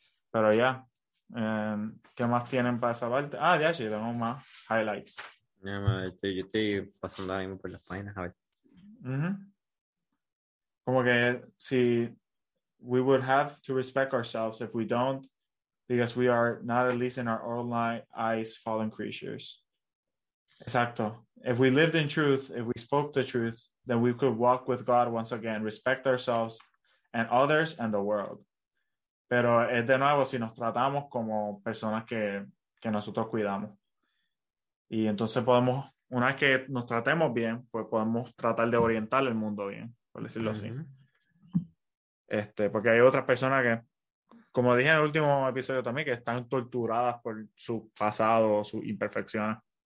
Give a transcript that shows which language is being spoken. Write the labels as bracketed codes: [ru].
[es] Pero ya, ¿qué más tienen para esa parte? Ah, ya, sí, tenemos más highlights. Yo estoy pasando ahora mismo por las páginas, a ver. Como que si. [en] We would have to respect ourselves if we don't, because we are not, at least in our own eyes, fallen creatures. Exacto. If we lived in truth, if we spoke the truth, then we could walk with God once again, respect ourselves and others and the world. [es] Pero es de nuevo si nos tratamos como personas que nosotros cuidamos. Y entonces podemos, una vez que nos tratemos bien, pues podemos tratar de orientar el mundo bien, por decirlo así. Porque hay otras personas que, como dije en el último episodio también, que están torturadas por su pasado o sus imperfecciones.